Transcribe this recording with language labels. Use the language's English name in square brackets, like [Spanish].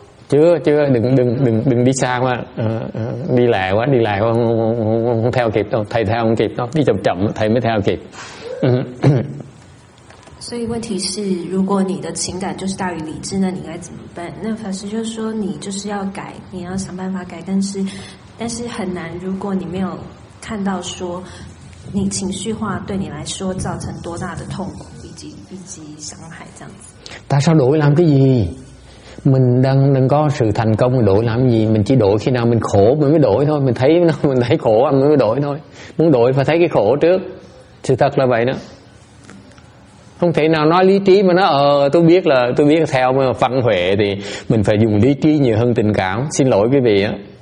[Vietnamese] Chưa, đừng đi xa quá, đi lẹ quá, không theo kịp đâu, thầy theo không kịp đâu, đi chậm, thầy mới theo kịp. [Chinese] 所以问题是，如果你的情感就是大于理智，那你该怎么办？那法师就说，你就是要改，你要想办法改，但是很难。如果你没有看到说，你情绪化对你来说造成多大的痛苦以及伤害，这样子。 [Vietnamese] 但是đổi làm cái gì? Mình đang đừng có sự thành công đổi làm gì? Mình chỉ đổi khi nào mình khổ mình mới đổi thôi. Mình thấy khổ mình mới đổi thôi. Muốn đổi phải thấy cái khổ trước. Sự thật là vậy đó. Không thể nào nói lý trí mà nói tôi biết theo văn huệ thì mình phải dùng lý trí nhiều hơn tình cảm. Xin lỗi quý vị á.